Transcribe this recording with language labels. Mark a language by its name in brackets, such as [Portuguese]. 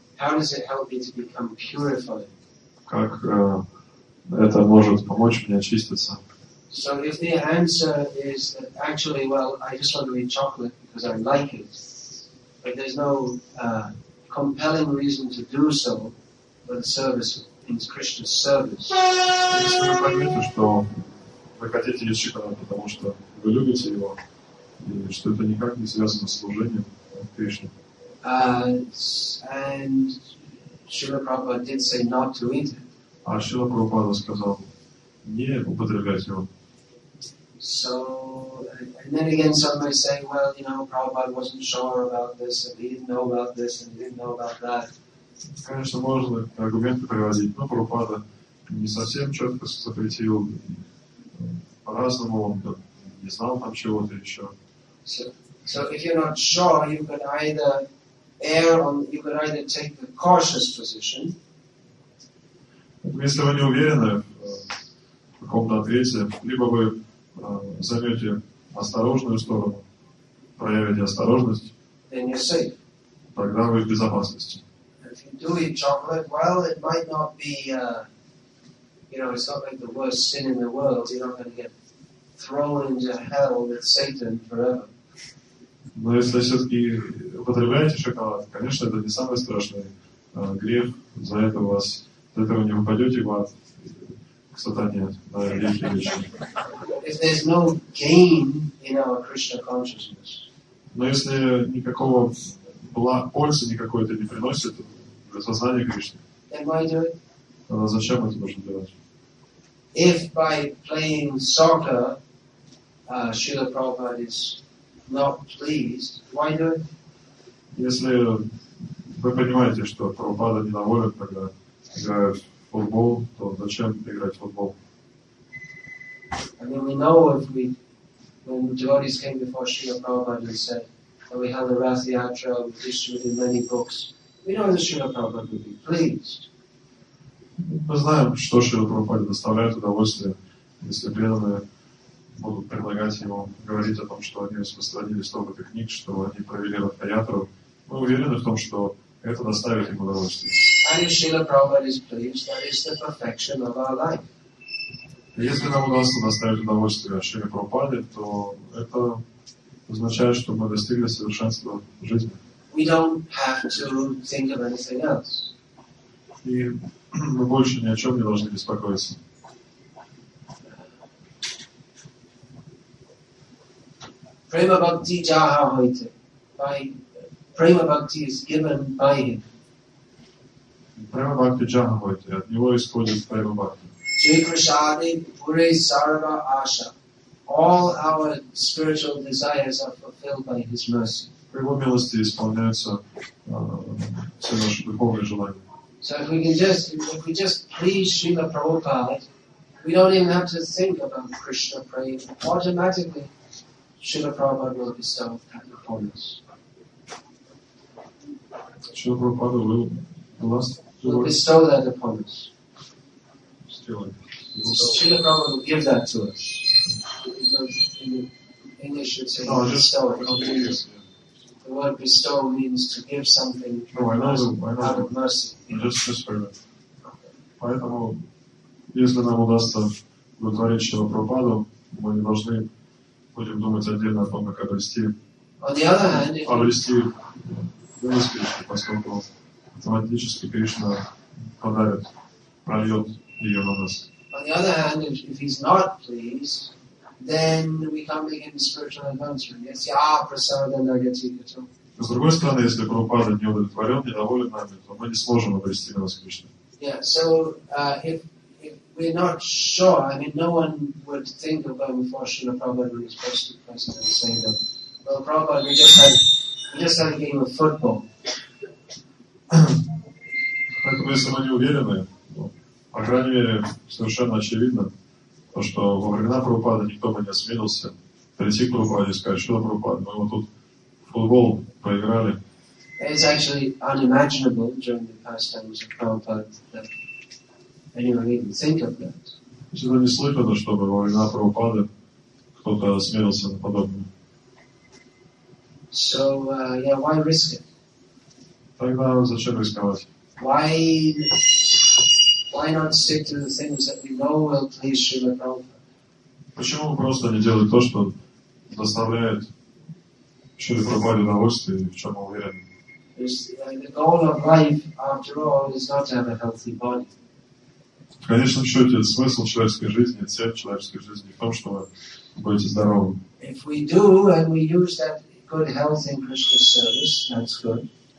[English] How does it help me to become purified? [Russian] Как это может помочь мне очиститься? [English] So if the answer is that actually, well, I just want to eat chocolate because I like it, but there's no compelling reason to do so for the service. And Srila Prabhupada did say not to eat it. [Russian] А Шрила Прабхупада сказал не употреблять его. [English] So And then again, some may say, well, you know, Prabhupada wasn't sure about this, and he didn't know about this, and he didn't know about that. [Russian] Конечно, можно аргументы приводить, но Прабхупада не совсем четко запретил. По-разному он не знал там чего-то еще. [English] So if you're not sure, you could either take the cautious position. [Russian] Если вы не уверены в каком-то ответе, либо вы займете осторожную сторону, проявите осторожность, [English] then you're safe. [Russian] Тогда вы в безопасности. [English] If you do eat chocolate, well, it might not be, it's not like the worst sin in the world. You're not going to get thrown into hell with Satan forever. [Russian] Но если все-таки употребляете шоколад, конечно, это не самый страшный грех. За это вас, за этого не упадете в ад к сатане на веки вечные. [English] If there's no gain in our Krishna consciousness. [Russian] Но если никакого пользы никакой это не приносит. [English] Then why do it? [Russian] Зачем это? [English] If by playing soccer, Srila Prabhupada is not pleased, why do it? [Russian] Если вы понимаете, что Прабхупада недоволен, когда играют в футбол, то зачем играть в футбол? [English] I mean, we know when devotees came before Srila Prabhupada and said that we held the Rathi Atra, we distributed many books. We know that Srila Prabhupada would be pleased. [Russian] Мы знаем, что Шрила Прабхупада доставляет удовольствие, если преданные будут предлагать ему говорить о том, что они распространили столько книг, что они провели Ратха-Ятру. Мы уверены в том, что это доставит ему удовольствие. [English] And if Srila Prabhupada is pleased, that is the perfection of our life. [Russian] Если нам удастся доставить удовольствие Шриле Прабхупаде, то это означает, что мы достигли совершенства в жизни. [English] We don't have to think of anything else. [Russian] И мы больше ни о чем не должны беспокоиться. [Bangla] Prema bhakti jaha hoite. [English] Prema bhakti is given by him. [Bangla] Prema bhakti jaha hoite. [Russian] От него исходит prema bhakti. [Bangla] Jai prasadi pure sarva asha. [English] All our spiritual desires are fulfilled by his mercy. [Russian] По его милости исполняются все наши духовные желания. [English] So if we can just, if we just please Srila Prabhupada, we don't even have to think about Krishna praying. Automatically, Srila Prabhupada will bestow that upon us. Srila Prabhupada will bestow that upon us. Srila Prabhupada will give that to us. In English, it's a bestow. The word bestow means to give something out of mercy. Just for a minute. [Russian] Поэтому, если нам удастся удовлетворить Шрилу Прабхупаду, мы не должны будем думать отдельно о том, как обрести. [English] On the other hand, if [Russian] обрести милость Кришны, поскольку автоматически Кришна подарит, прольет ее на нас. [English] On the other hand, if he's not pleased, then we come to him spiritual advancement. Yes, yeah, [Sanskrit] prasada nagatikato. [Russian] С другой стороны, если Прабхупада не удовлетворен, недоволен нами, то мы не сможем обрести милость Кришны. [English] Yeah, so if we're not sure, I mean, no one would think of going before Srila Prabhupada when he's supposed to be present and say that, well, Prabhupada, we just had a game of football. [Russian] Поэтому, если мы не уверены, по крайней мере, совершенно очевидно, то, что во времена Прабхупады никто бы не осмелился прийти к Прабхупаде и сказать, что Прабхупада, мы вот тут футбол проиграли. [English] It's actually unimaginable during the pastimes of Prabhupada that anyone even think of that. [Russian] Это неслыханно, чтобы во времена Прабхупады кто-то осмелился на подобное. [English] So, yeah, why risk it? [Russian] Тогда зачем рисковать? [English] Why not stick to the things that we know will please Srila Prabhupada? [Russian] Почему мы просто не делаем то, что доставляет Шрила Прабхупаде удовольствие, в чем мы уверены? [English] The goal of life, after all, is not to have a healthy body. [Russian] В конечном счете, смысл человеческой жизни, цель человеческой жизни в том, чтобы быть здоровым. [English] If we do, and we use that good health in Krishna's service, that's good.